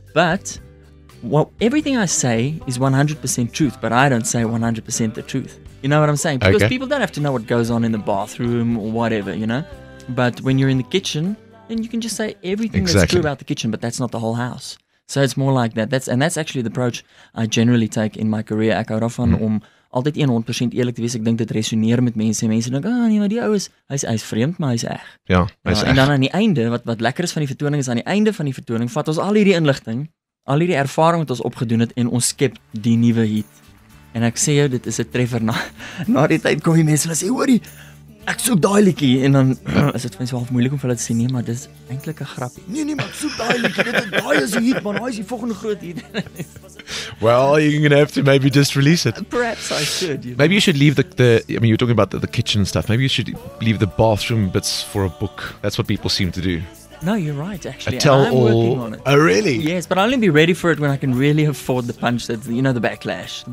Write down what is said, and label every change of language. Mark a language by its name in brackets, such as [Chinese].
[English] But, well, everything I say is 100% truth, but I don't say 100% the truth. You know what I'm saying? Because people don't have to know what goes on in the bathroom or whatever, you know? But when you're in the kitchen, and you can just say everything that's true about the kitchen, but that's not the whole house. So it's more like that. That's actually the approach I generally take in my career. [Afrikaans] Ek hou daarvan om altyd 100% eerlik te wees. Ek dink dit resoneer met mense. Mense dink, "Ah, nee, maar die ou is hy's vreemd, maar hy's eg." Ja, hy's eg. En dan aan die einde, wat lekker is van die vertoning is aan die einde van die vertoning vat ons al hierdie inligting, al hierdie ervaring wat ons opgedoen het en ons skep die nuwe hit. En ek sê jou, dit is 'n treffer na die tyd kom die mense en sê, "Hoorie, ek soek daai liedjie," en dan is dit vir myself moeilik om vir hulle te sê, nee, maar dis eintlik 'n grapie. Nee, maar ek soek daai liedjie, daai is 'n hit, man, daai is die volgende groot hit. [English] Well, you're going to have to maybe just release it. Perhaps I should. You know? Maybe you should leave I mean, you're talking about the kitchen stuff. Maybe you should leave the bathroom bits for a book. That's what people seem to do. No, you're right, actually. I'm working on it. Oh, really? Yes, but I'll only be ready for it when I can really afford the punch, that, you know, the backlash.